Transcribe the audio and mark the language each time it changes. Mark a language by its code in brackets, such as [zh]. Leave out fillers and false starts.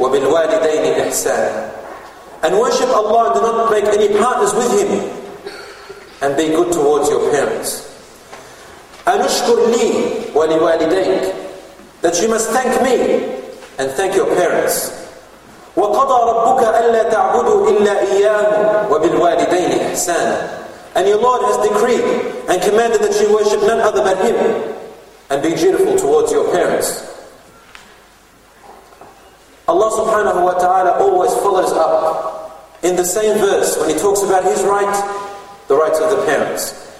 [ar] وبالوالدين إحسانا. [en] And worship Allah and do not make any partners with Him. And be good towards your parents. [ar] أنشكر لي ولوالديك. [en] That you must thank me and thank your parents. [ar] وقضى ربك ألا تعبدوا إلا إياه وبالوالدين إحسانا. [en] And your Lord has decreed and commanded that you worship none other but Him and be dutiful towards your parents. Allah subhanahu wa ta'ala always follows up in the same verse when He talks about His right, the rights of the parents.